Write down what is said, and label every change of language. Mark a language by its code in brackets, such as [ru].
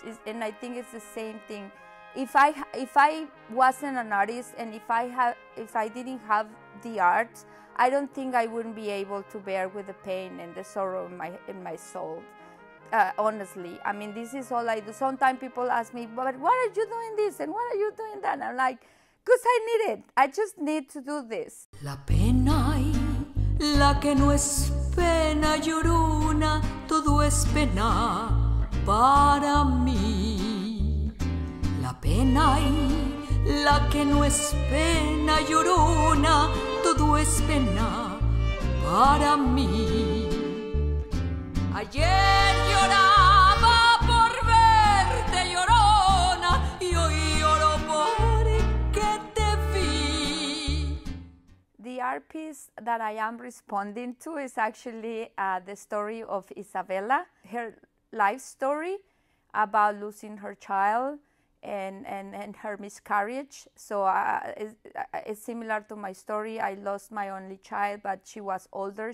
[en] And I think it's the same thing. If I wasn't an artist, and if I didn't have the art, I don't think I wouldn't be able to bear with the pain and the sorrow in my soul. Honestly, I mean, this is all I do. Sometimes people ask me, but why are you doing this and why are you doing that? And I'm like, because I need it. I just need to do this. [es] La pena, la que no es pena, llorona, todo es pena para mí. Pena y la que no es pena, llorona, todo es pena para mí. Ayer lloraba por verte, llorona, y hoy lloro por que te vi. [en] The art piece that I am responding to is actually the story of Isabella, her life story about losing her child and her miscarriage. So it's similar to my story. I lost my only child, but she was older.